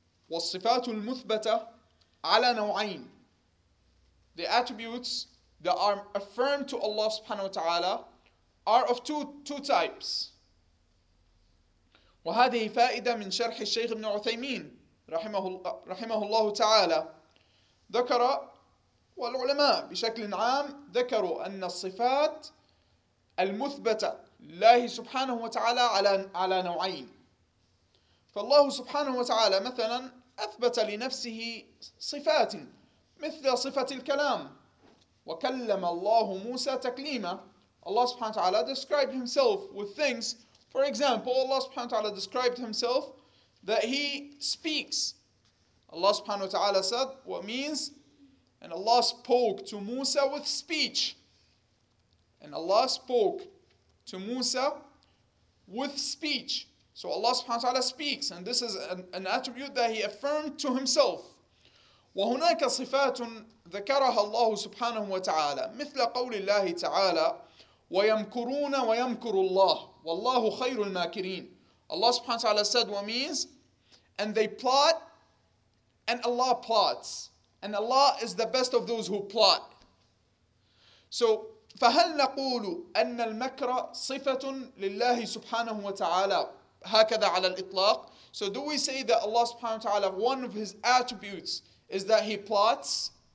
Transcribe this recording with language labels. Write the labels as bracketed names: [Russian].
[Arabic] والصفات المثبتة على نوعين. [English] The attributes that are affirmed to Allah subhanahu wa ta'ala are of two types. [Arabic] وهذه فائدة من شرح الشيخ ابن عثيمين رحمه الله تعالى. ذكر والعلماء بشكل عام ذكروا أن الصفات المثبتة لله سبحانه وتعالى على نوعين. فالله سبحانه وتعالى مثلا أثبت لنفسه صفات مثل صفة الكلام. وكلم الله موسى تكليما. [English] الله سبحانه وتعالى described himself with things. For example, Allah سبحانه وتعالى described himself that he speaks. Allah سبحانه وتعالى said what means, and Allah spoke to Musa with speech. And Allah spoke to Musa with speech. So Allah subhanahu wa ta'ala speaks, and this is an attribute that he affirmed to himself. [Arabic] وهناك صفات ذكرها الله سبحانه وتعالى مثل قول الله تعالى ويمكرون ويمكر الله والله خير الماكرين. [English] Allah subhanahu wa ta'ala said what means, and they plot and Allah plots, And Allah is the best of those who plot. So, [Arabic] فهل نقول أن المكر صفة لله سبحانه وتعالى هكذا على الإطلاق؟ [English] So, do we say that Allah subhanahu wa ta'ala, one of His attributes is that He plots?